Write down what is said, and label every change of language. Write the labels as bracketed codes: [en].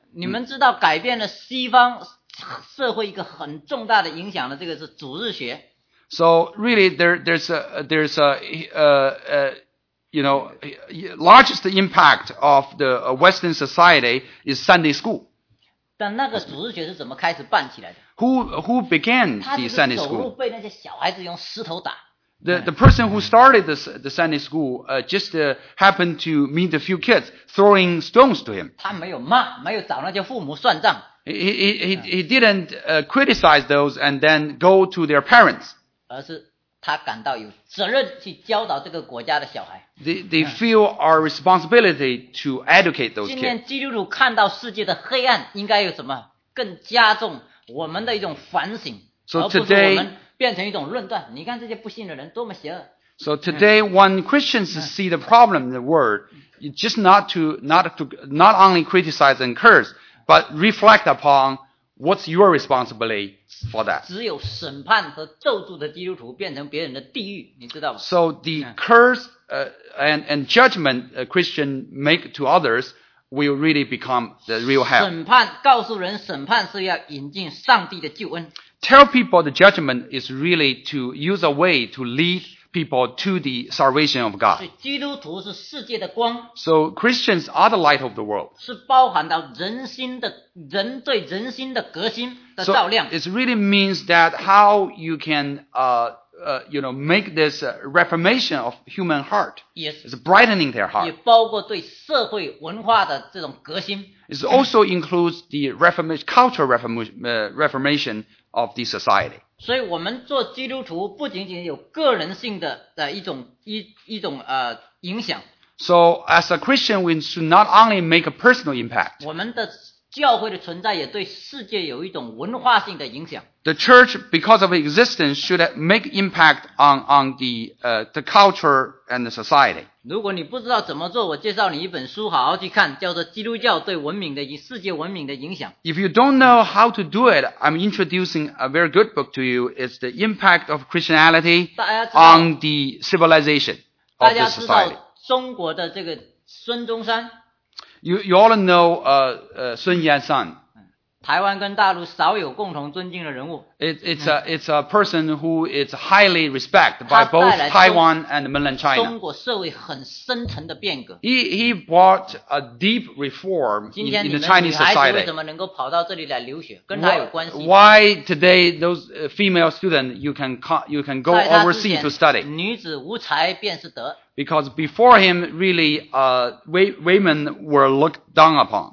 [zh] 你们知道改变了西方社会一个很重大的影响的这个是主日学。 [en] So really there's a largest impact of the Western society is Sunday school. [zh] 但那个主日学是怎么开始办起来的？ [en] Who began the Sunday school? [zh] 他就是走路被那些小孩子用石头打。 [en] The person who started the Sunday school happened to meet a few kids throwing stones to him. [zh] 他没有骂，没有找那些父母算账。 [en] He didn't criticize those and then go to their parents. [zh] 而是他感到有责任去教导这个国家的小孩。 [en] They feel our responsibility to educate those kids. [zh] 今天基督徒看到世界的黑暗，应该有什么更加重？我们的一种反省， [en] so、today, [zh] 而不是我们变成一种论断。你看这些不信的人多么邪恶。 [en] So today, when Christians see the problem in the world, just not only criticize and curse, but reflect upon what's your responsibility for that. [zh] 只有审判和咒诅的基督徒变成别人的地狱，你知道吗 [en] ？So the curse and judgment a Christian make to others. Will really become the real hell. [zh] 审判告诉人，审判是要引进上帝的救恩。 [en] Tell people the judgment is really to use a way to lead people to the salvation of God. [zh] 基督徒是世界的光。 [en] So Christians are the light of the world. [zh] 是包含到人心的人对人心的革新的照亮。 [en] So it really means that how you can make this reformation of human heart. Yes. It's brightening their heart. [zh] 也包括对社会文化的这种革新。 [en] It also includes the reformation, cultural reformation of the society. [zh] 所以我们做基督徒不仅仅有个人性的一种影响。 [en] So as a Christian, we should not only make a personal impact. [zh] 我们的教会的存在也对世界有一种文化性的影响。 [en] The church, because of existence, should make impact on the culture and the society. [zh] 如果你不知道怎么做，我介绍你一本书，好好去看，叫做《基督教对文明的世界文明的影响》。 [en] If you don't know how to do it, I'm introducing a very good book to you. It's The Impact of Christianity on the Civilization of the Society. [zh] 大家知道中国的这个孙中山。 [en] You all know Sun Yat-sen. [zh] 台湾跟大陆少有共同尊敬的人物。 [en] It's a person who is highly respected by both Taiwan and mainland China. [zh] 中国社会很深层的变革。 [en] He brought a deep reform in the Chinese society. [zh] 今天你们女孩子为什么能够跑到这里来留学？跟他有关系。 [en] Why today those female students you can go overseas to study? [zh] 女子无才便是德。 [en] Because before him, really, women were looked down upon.